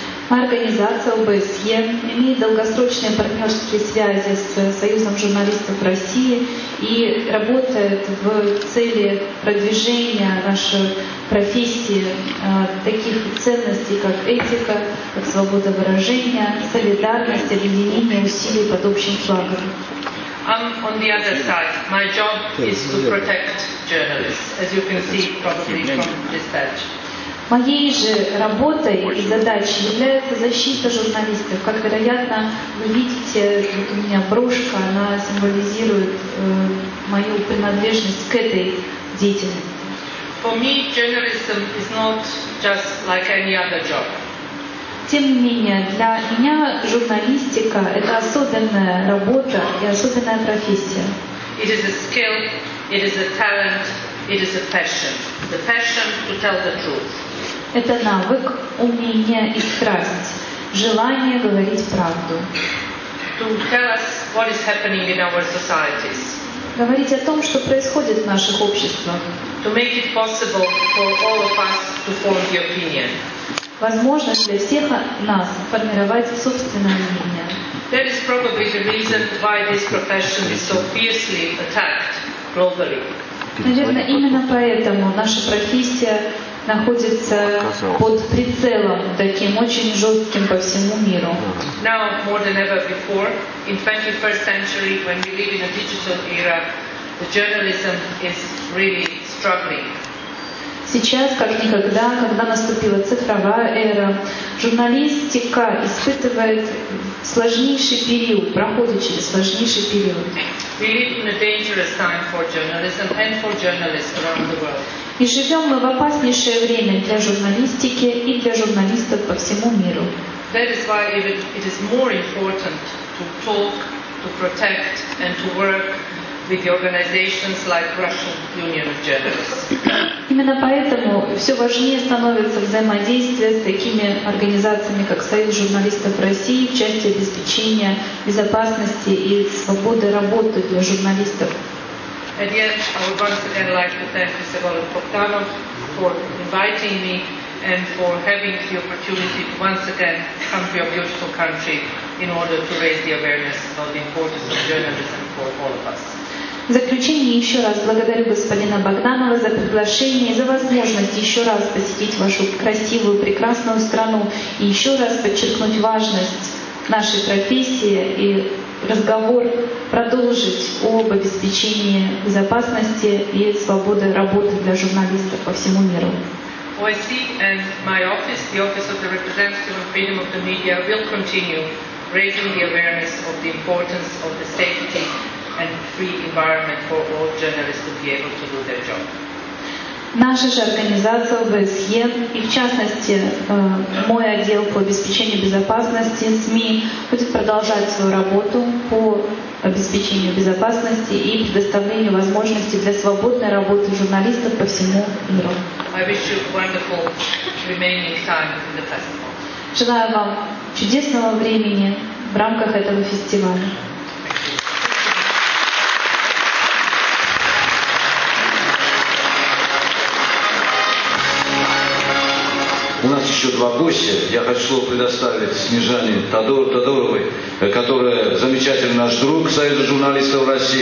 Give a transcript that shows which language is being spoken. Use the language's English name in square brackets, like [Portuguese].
[Russian] Моя организация ОБСЕ имеет долгосрочные партнерские связи с Союзом журналистов России и работает в цели продвижения нашей профессии таких ценностей, как этика, как свобода выражения, солидарность, объединение усилий под общим флагом. [English] I'm on the other side. My job is to protect journalists, as you can see probably from this badge. [Russian] Моей же работой и задачей является защита журналистов. Как, вероятно, вы видите, вот у меня брошка, она символизирует мою принадлежность к этой деятельности. [English] For me, journalism is not just like any other job. [Russian] Тем не менее, для меня журналистика – это особенная работа и особенная профессия. [English] It is a skill, it is a talent, it is a passion. The passion to tell the truth. [Russian] Это навык, умение и страсть, желание говорить правду. [English] To tell us what is happening in our societies. [Russian] Говорить о том, что происходит в наших обществах. [English] To make it possible for all of us to form the opinion. [Russian] Возможность для всех нас формировать собственное мнение. [English] That is probably the reason why this profession is so fiercely attacked globally. [Russian] Наверное, именно поэтому наша профессия находится под прицелом таким очень жестким по всему миру. [English] Now more than ever before, in 21st century, when we live in a digital era, the journalism is really struggling. [Russian] Сейчас, как никогда, когда наступила цифровая эра, журналистика испытывает сложнейший период, проходит через сложнейший период. [English] We live in a dangerous time for journalism and for journalists around the world. [Russian] И живем мы в опаснейшее время для журналистики и для журналистов по всему миру. [English] That is why it is more important to talk, to protect and to work with organizations like Russian Union of Journalists. [Russian] Именно поэтому все важнее становится взаимодействие с такими организациями, как Союз журналистов России, в части обеспечения безопасности и свободы работы для журналистов. [English] And yet, I would once again like to thank Mr. Bogdanov for inviting me and for having the opportunity to once again come to your beautiful country in order to raise the awareness about the importance of journalism for all of us. [Russian] В заключение еще раз благодарю господина Богданова за приглашение и за возможность еще раз посетить вашу красивую, прекрасную страну и еще раз подчеркнуть важность нашей профессии и разговор продолжить об обеспечении безопасности и свободы работы для журналистов по всему миру. [English] OIC and my office, the Office of the Representative of Freedom of the Media, will continue raising the awareness of the importance of the safety and free environment for all journalists to be able to do their job. [Russian] Наша же организация ОБСЕ и, в частности, мой отдел по обеспечению безопасности СМИ будет продолжать свою работу по обеспечению безопасности и предоставлению возможности для свободной работы журналистов по всему миру. [English] I wish you wonderful remaining time in the festival. [Russian] Желаю вам чудесного времени в рамках этого фестиваля. У нас еще два гостя. Я хочу предоставить Снежане Тодоровой, которая замечательный наш друг Союза журналистов России.